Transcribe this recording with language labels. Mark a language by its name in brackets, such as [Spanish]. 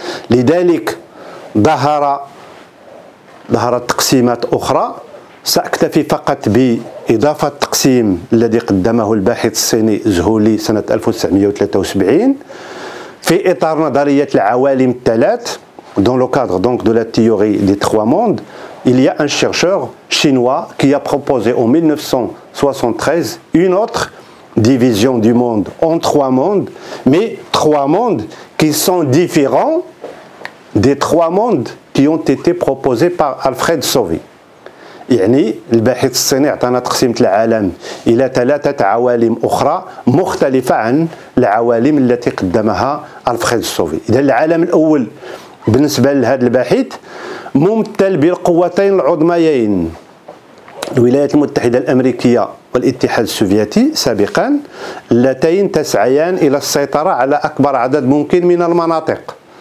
[Arabic] لذلك ظهرت تقسيمات أخرى سأكتفي فقط بإضافة تقسيم الذي قدمه الباحث الصيني زهولي سنة 1973 في إطار نظرية العوالم الثلاث [French] dans le cadre donc de la théorie des trois mondes. Il y a un chercheur chinois qui a proposé en 1973 une autre division du monde en trois mondes, mais trois mondes qui sont différents des trois mondes qui ont été proposés par Alfred Sauvé. [Arabic] يعني الباحث الصيني عطانا تقسيمة العالم إلى ثلاثة عوالم أخرى مختلفة عن العوالم التي قدمها ألفريد سوفي. إذن العالم الأول بالنسبة لهذا الباحث ممتل بالقوتين العظميين الولايات المتحدة الأمريكية والاتحاد السوفيتي سابقا اللتين تسعيان إلى السيطرة على أكبر عدد ممكن من المناطق.